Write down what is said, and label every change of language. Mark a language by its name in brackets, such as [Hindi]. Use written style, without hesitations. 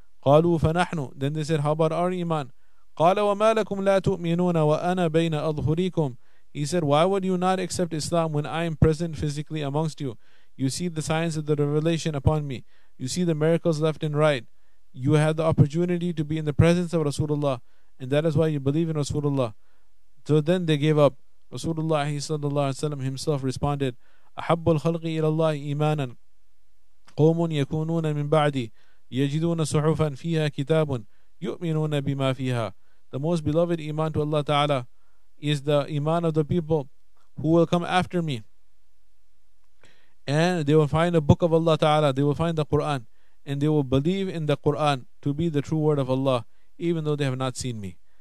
[Arabic] قَالُوا فَنَحْنُ. [English] Then they said, how about our iman? [Arabic] قَالَ وَمَا لَكُمْ لَا تُؤْمِنُونَ وَأَنَا بَيْنَ أَظْهُرِيكُمْ. [English] He said, why would you not accept Islam when I am present physically amongst you? You see the signs of the revelation upon me. You see the miracles left and right. You had the opportunity to be in the presence of Rasulullah, and that is why you believe in Rasulullah. So then they gave up. [Arabic] Rasulullah sallallahu alaihi wasallam [English] himself responded, [Arabic] أحب الخلق إلى الله إيمانا قوم يكونون من بعدي يجدون صحفا فيها كتاب يؤمنون بما فيها. [English] The most beloved iman to Allah Ta'ala is the iman of the people who will come after me, and they will find a book of Allah Ta'ala, they will find the Quran, and they will believe in the Quran to be the true word of Allah even though they have not seen me.